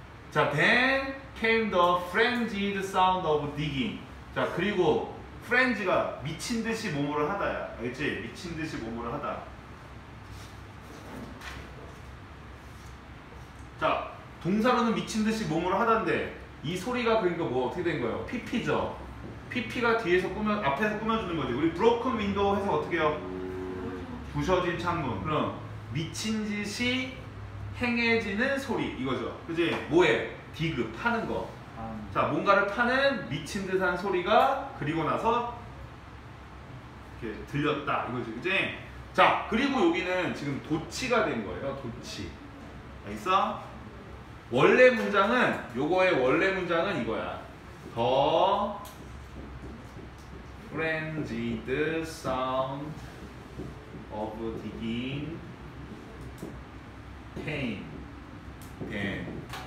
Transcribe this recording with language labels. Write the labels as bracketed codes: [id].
[en] 자, then came the frenzied sound of digging. [ko] 자, 그리고 프렌즈가 미친 듯이 몸을 하다야. 알겠지? 미친 듯이 몸을 하다. 자, 동사로는 미친 듯이 몸을 하다인데 이 소리가 그러니까 뭐 어떻게 된 거예요? PP죠. PP가 뒤에서 꾸며 앞에서 꾸며 주는 거지. 우리 브로큰 윈도우 해서 어떻게 해요? 부셔진 창문. 그럼 미친 듯이 행해지는 소리 이거죠. 그지? 뭐에? 디그 파는 거. 자, 뭔가를 파는 미친 듯한 소리가 그리고 나서 이렇게 들렸다 이거지, 그지? 자, 그리고 여기는 지금 도치가 된 거예요. 도치. 알겠어? 원래 문장은 요거의 원래 문장은 이거야. [en] The frenzied sound of digging came then.